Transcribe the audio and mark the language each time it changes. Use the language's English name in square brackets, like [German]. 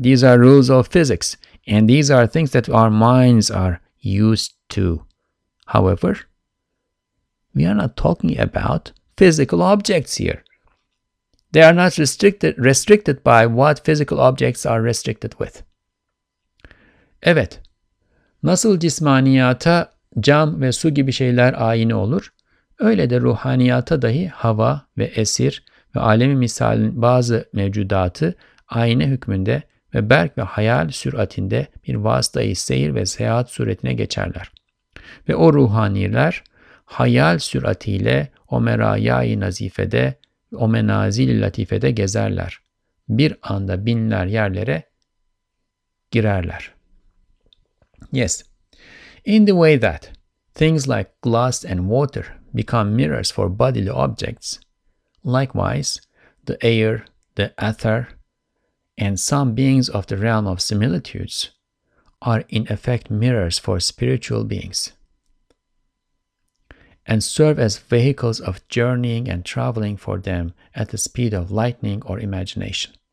[English] These are rules of physics. And these are things that our minds are used to. However, we are not talking about physical objects here. They are not restricted by what physical objects are restricted with. [Turkish] Evet, nasıl cismaniyata cam ve su gibi şeyler ayin olur, öyle de ruhaniyata dahi hava ve esir ve alemi misalin bazı mevcudatı ayine hükmünde ve berk ve hayal süratinde bir vasıtayı seyir ve seyahat suretine geçerler. Ve o ruhaniler hayal süratiyle o merayayı nazifede, o menazili latifede gezerler. Bir anda binler yerlere girerler. [English] Yes, in the way that things like glass and water become mirrors for bodily objects, likewise, the air, the ether, and some beings of the realm of similitudes are in effect mirrors for spiritual beings and serve as vehicles of journeying and traveling for them at the speed of lightning or imagination.